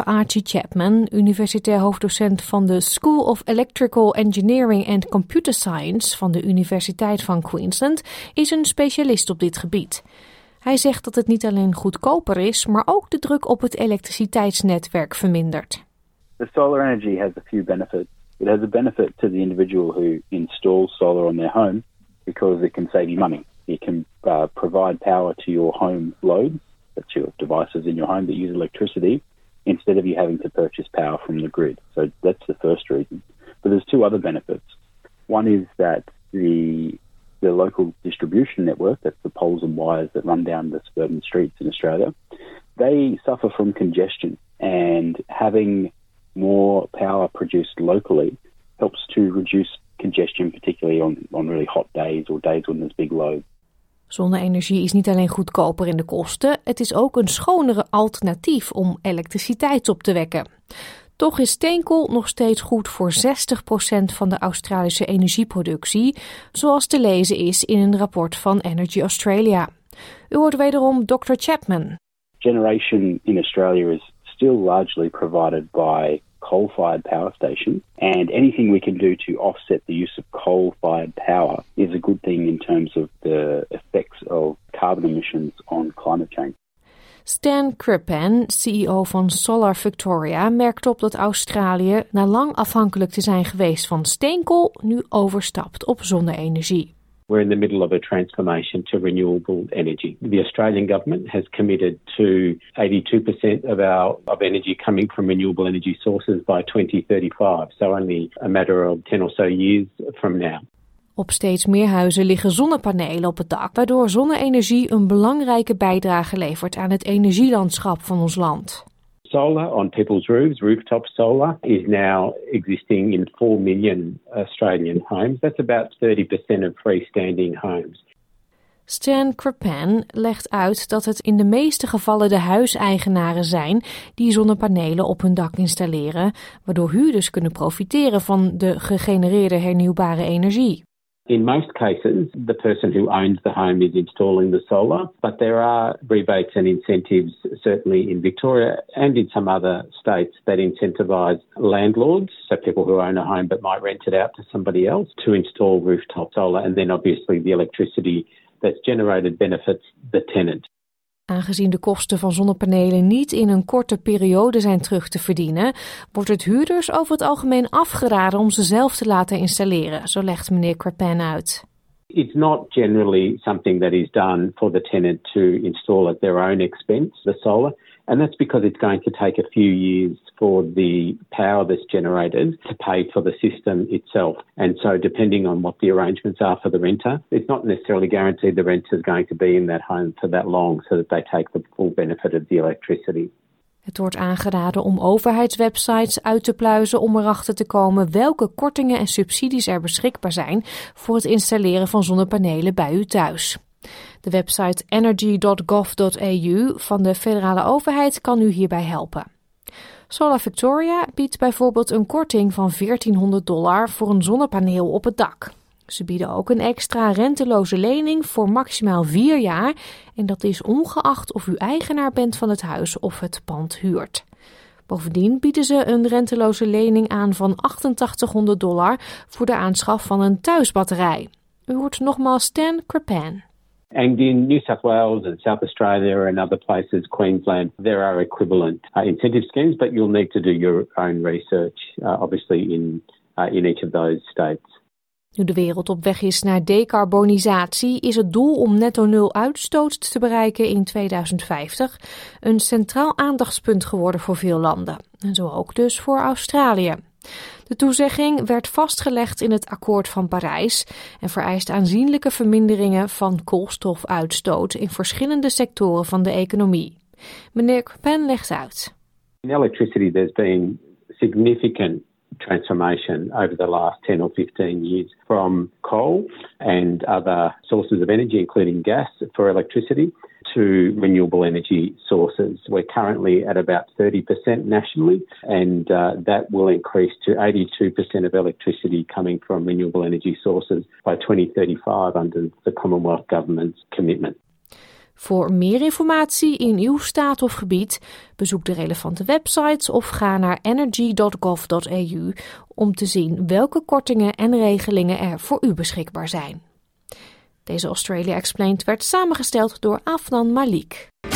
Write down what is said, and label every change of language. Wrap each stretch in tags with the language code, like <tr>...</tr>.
<nl>Archie Chapman, universitair hoofddocent van de School of Electrical Engineering and Computer Science van de Universiteit van Queensland, is een specialist op dit gebied. Hij zegt dat het niet alleen goedkoper is, maar ook de druk op het elektriciteitsnetwerk vermindert.</nl> <en>The solar energy has a few benefits. It has a benefit to the individual who installs solar on their home because it can save you money. It can provide power to your home load, that's your devices in your home that use electricity, instead of you having to purchase power from the grid. So that's the first reason. But there's two other benefits. One is that the local distribution network, that's the poles and wires that run down the suburban streets in Australia, they suffer from congestion. And having more power produced locally helps to reduce congestion, particularly on really hot days or days when there's big loads.</en> <nl>Zonne-energie is niet alleen goedkoper in de kosten, het is ook een schonere alternatief om elektriciteit op te wekken. Toch is steenkool nog steeds goed voor 60% van de Australische energieproductie, zoals te lezen is in een rapport van Energy Australia. U hoort wederom Dr. Chapman.</nl> <en>Generation in Australia is still largely provided by coal-fired power stations, and anything we can do to offset the use of coal-fired power is a good thing in terms of the effects of carbon emissions on climate change.</en> <nl>Stan Crippen, CEO van Solar Victoria, merkt op dat Australië, na lang afhankelijk te zijn geweest van steenkool, nu overstapt op zonne-energie.</nl> <en>We're in the middle of a transformation to renewable energy. The Australian government has committed to 82% of energy coming from renewable energy sources by 2035. So only a matter of 10 or so years from now.</en> <nl>Op steeds meer huizen liggen zonnepanelen op het dak, waardoor zonne-energie een belangrijke bijdrage levert aan het energielandschap van ons land.</nl> <en>Solar on people's roofs, rooftop solar, is now existing in 4 million Australian homes. That's about 30% of freestanding homes.</en> <nl>Stan Crippen legt uit dat het in de meeste gevallen de huiseigenaren zijn die zonnepanelen op hun dak installeren, waardoor huurders kunnen profiteren van de gegenereerde hernieuwbare energie.</nl> <en>In most cases, the person who owns the home is installing the solar, but there are rebates and incentives, certainly in Victoria and in some other states, that incentivize landlords, so people who own a home but might rent it out to somebody else, to install rooftop solar, and then obviously the electricity that's generated benefits the tenant.</en> <nl>Aangezien de kosten van zonnepanelen niet in een korte periode zijn terug te verdienen, wordt het huurders over het algemeen afgeraden om ze zelf te laten installeren, zo legt meneer Crippen uit.</nl> <en>It's not generally something that is done for the tenant to install at their own expense, the solar. And that's because it's going to take a few years for the power that's generated to pay for the system itself. And so depending on what the arrangements are for the renter, it's not necessarily guaranteed the renter is going to be in that home for that long so that they take the full benefit of the electricity.</en> <nl>Het wordt aangeraden om overheidswebsites uit te pluizen om erachter te komen welke kortingen en subsidies er beschikbaar zijn voor het installeren van zonnepanelen bij u thuis. De website energy.gov.au van de federale overheid kan u hierbij helpen. Solar Victoria biedt bijvoorbeeld een korting van $1400 voor een zonnepaneel op het dak. Ze bieden ook een extra renteloze lening voor maximaal 4 jaar en dat is ongeacht of u eigenaar bent van het huis of het pand huurt. Bovendien bieden ze een renteloze lening aan van $8800 voor de aanschaf van een thuisbatterij. U hoort nogmaals Stan Crippen.</nl> <en>And in New South Wales and South Australia and other places, Queensland, there are equivalent incentive schemes, but you'll need to do your own research, obviously, in each of those states.</en> <nl>Nu de wereld op weg is naar decarbonisatie, is het doel om netto nul uitstoot te bereiken in 2050 een centraal aandachtspunt geworden voor veel landen. En zo ook dus voor Australië. De toezegging werd vastgelegd in het akkoord van Parijs en vereist aanzienlijke verminderingen van koolstofuitstoot in verschillende sectoren van de economie. Meneer Kupen legt uit.</nl> <en>In electricity there's been significant transformation over the last 10 or 15 years from coal and other sources of energy, including gas for electricity, to renewable energy sources. We're currently at about 30% nationally, and that will increase to 82% of electricity coming from renewable energy sources by 2035 under the Commonwealth Government's commitment.</en> <nl>Voor meer informatie in uw staat of gebied, bezoek de relevante websites of ga naar energy.gov.eu om te zien welke kortingen en regelingen er voor u beschikbaar zijn. Deze Australia Explained werd samengesteld door Afnan Malik.</nl>